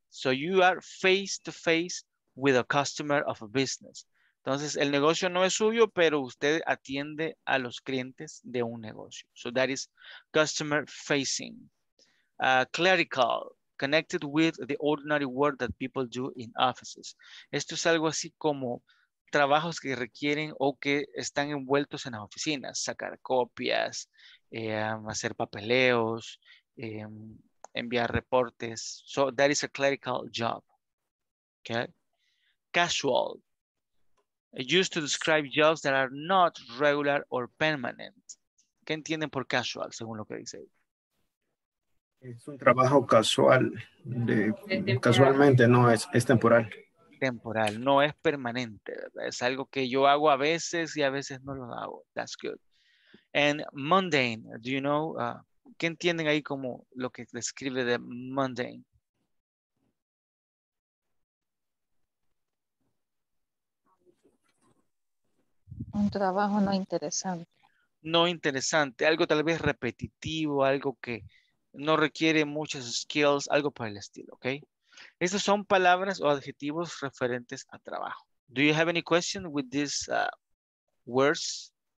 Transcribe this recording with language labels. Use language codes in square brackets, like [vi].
[en] So you are face to face with a customer of a business. [es] Entonces, el negocio no es suyo, pero usted atiende a los clientes de un negocio. [en] So that is customer facing. Clerical, connected with the ordinary work that people do in offices. [es] Esto es algo así como trabajos que requieren o que están envueltos en las oficinas. Sacar copias, hacer papeleos, enviar reportes. [en] So that is a clerical job. Okay. Casual. Used to describe jobs that are not regular or permanent. [es] ¿Qué entienden por casual, según lo que dice? Es un trabajo casual. Casualmente, no, es temporal. Temporal, no es permanente. ¿Verdad? Es algo que yo hago a veces y a veces no lo hago. [en] That's good. And mundane, do you know? [es] ¿Qué entienden ahí como lo que describe de mundane? Un trabajo no interesante. No interesante, algo tal vez repetitivo, algo que no requiere muchas skills, algo por el estilo, ¿ok? Estas son palabras o adjetivos referentes a trabajo. [en] Do you have any question with these words?